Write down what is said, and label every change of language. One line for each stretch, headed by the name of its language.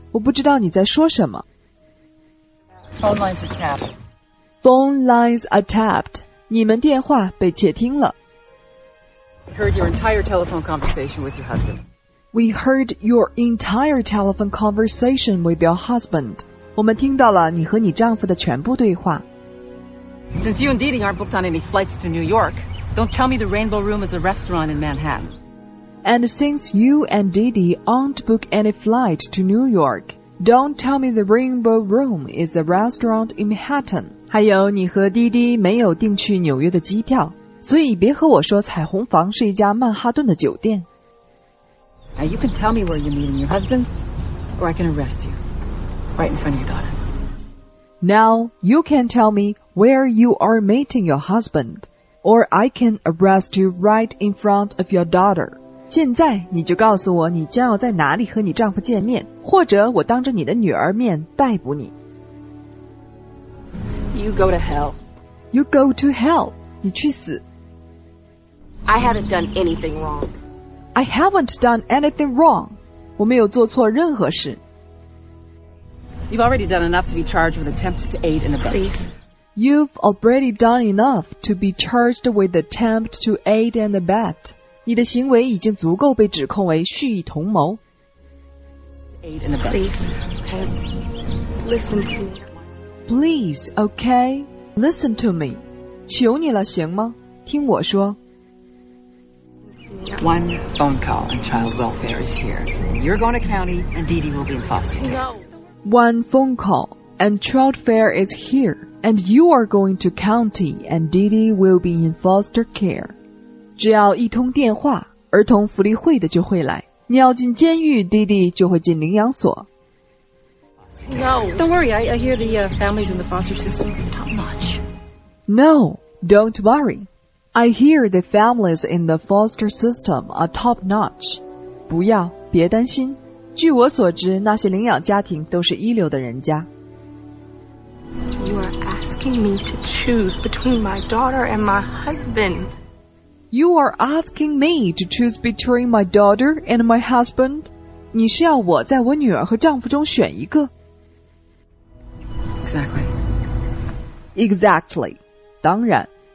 Chinese: 我不知道你在说什么。
English: Phone lines are tapped. Phone lines are tapped.
Chinese: 你们电话被窃听了。
English: I heard your entire telephone conversation with your husband. We heard your entire telephone conversation with your husband.
Chinese: 我们听到了你和你丈夫的全部对话。
English: Since you and Didi aren't booked on any flights to New York, don't tell me the Rainbow Room is a restaurant in Manhattan. And since you and Didi aren't booked any flight to New York, don't tell me the Rainbow Room is a restaurant in Manhattan.
Chinese: 还有你和 Didi 没有订去纽约的机票，所以别和我说彩虹房是一家曼哈顿的酒店。
English: Now you can tell me where you're meeting your husband, or I can arrest you, right in front of your daughter. Now you can tell me where you are meeting your husband, or I can arrest you right in front of your daughter.
Chinese: 现在你就告诉我你将要在哪里和你丈夫见面，或者我当着你的女儿面逮捕你。
English: You go to hell. You go to hell.
Chinese: 你去死。
English: I haven't done anything wrong. I haven't done anything wrong.
Chinese: 我没有做错任何事。
English: You've already done enough to be charged with attempt to aid and abet. Please. You've already done enough to be charged with attempt to aid and abet.
Chinese: 你的行为已经足够被指控为蓄意同谋。
English: Aid and abet. Please. Okay. Listen to me. Please, okay. Listen to me.
Chinese: 求你了，行吗？听我说。
English: One phone call and child welfare is here. You're going to county and Didi will be in foster care. No. One phone call and child welfare is here. And you are going to county and Didi will be in foster care.
Chinese: 只要一通电话，儿童福利会的就会来。你要进监狱，Didi就会进领养所。 No.
English: Don't worry, I hear the families in the foster system. Not much. No, don't worry. I hear the families in the foster system are top-notch.
Chinese: 不要，别担心。据我所知，那些领养家庭都是一流的人家。
English: You are asking me to choose between my daughter and my husband. You are asking me to choose between my daughter and my husband.
Chinese: 你是要我在我女儿和丈夫中选一个。
English: Exactly. Exactly.
Chinese: 当然。